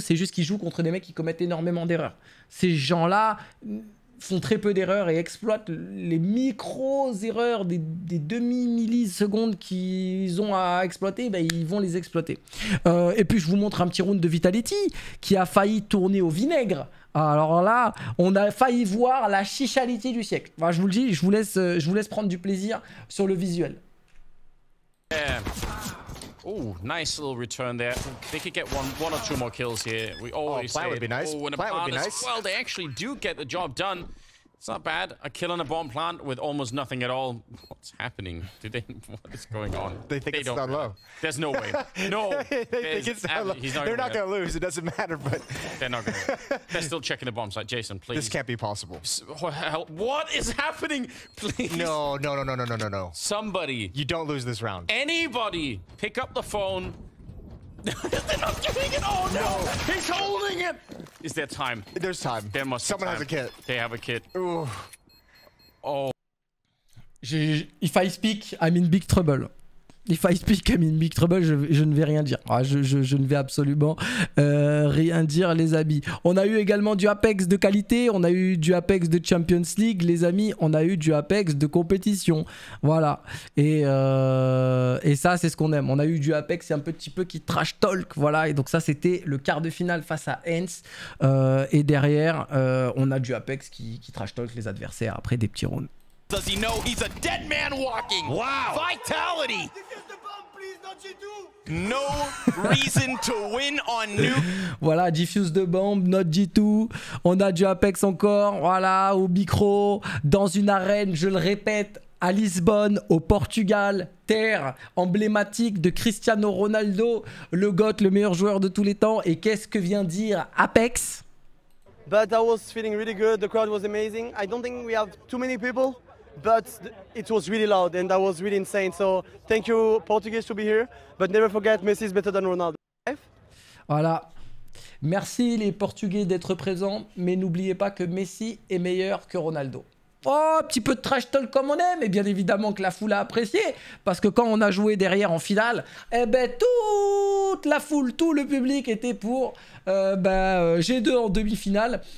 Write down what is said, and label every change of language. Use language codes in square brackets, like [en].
[fr] C'est juste qu'il joue contre des mecs qui commettent énormément d'erreurs. Ces gens-là font très peu d'erreurs et exploitent les micro-erreurs des demi-millisecondes qu'ils ont à exploiter, ils vont les exploiter. Et puis je vous montre un petit round de Vitality qui a failli tourner au vinaigre. Alors là, on a failli voir la chichalité du siècle. Enfin, je vous le dis, je vous laisse prendre du plaisir sur le visuel. [en] Oh, nice little return there. They could get one or two more kills here. We always say, plant would be nice. Well, they actually do get the job done. It's not bad. A kill on a bomb plant with almost nothing at all. What's happening? What is going on? They think it's down low. There's no way. No. They think it's down low. They're not going to lose. It doesn't matter, but they're not going to lose. They're still checking the bombs. Like, Jason, please. This can't be possible. What is happening? Please. No. Somebody. You don't lose this round. Anybody. Pick up the phone. They're not doing it! Oh no! He's holding it! Is there time? There's time. There must be someone time. Has a kit. They have a kit. Ooh. Oh. If I speak, I'm in big trouble. If I speak, I'm in big trouble, [fr] je ne vais rien dire. Je ne vais absolument rien dire, les amis. On a eu également du Apex de qualité, on a eu du Apex de Champions League, les amis. On a eu du Apex de compétition. Voilà. Et ça, c'est ce qu'on aime. On a eu du Apex, c'est un petit peu qui trash talk. Voilà. Et donc ça, c'était le quart de finale face à Hens. Et derrière, on a du Apex qui trash talk les adversaires après des petits rounds. [en] Does he know he's a dead man walking? Wow. Vitality. This is the bomb, please, don't you do? No reason to win on nuke. [fr] Voilà, diffuse de bombe, not G2. On a du Apex encore, voilà, au micro, dans une arène, je le répète, à Lisbonne, au Portugal, terre emblématique de Cristiano Ronaldo, le GOAT, le meilleur joueur de tous les temps. Et qu'est-ce que vient dire Apex? [en] But I was feeling really good, the crowd was amazing. I don't think we have too many people. But it was really loud and that was really insane. So thank you, Portuguese, to be here. But never forget, Messi is better than Ronaldo. [fr] Voilà. Merci les Portugais d'être présents. Mais n'oubliez pas que Messi est meilleur que Ronaldo. Oh, petit peu de trash talk comme on aime. Et bien évidemment que la foule a apprécié. Parce que quand on a joué derrière en finale, eh ben toute la foule, tout le public était pour G2 en demi-finale.